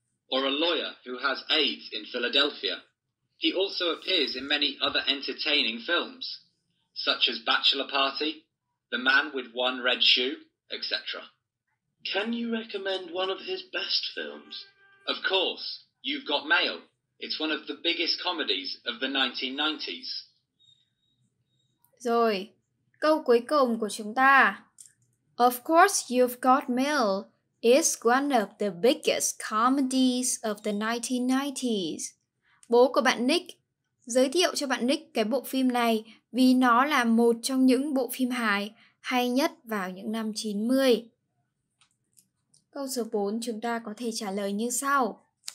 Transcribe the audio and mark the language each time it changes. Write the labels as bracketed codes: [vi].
[en] Or a lawyer who has AIDS in Philadelphia. He also appears in many other entertaining films, such as Bachelor Party, The Man with One Red Shoe, etc. Can you recommend one of his best films? Of course, You've Got Mail. It's one of the biggest comedies of the 1990s. [vi] Rồi, câu cuối cùng của chúng ta. [en] Of course, You've Got Mail. It's one of the biggest comedies of the 1990s. [vi] Bố của bạn Nick giới thiệu cho bạn Nick cái bộ phim này vì nó là một trong những bộ phim hài hay nhất vào những năm 90. Câu số 4 chúng ta có thể trả lời như sau.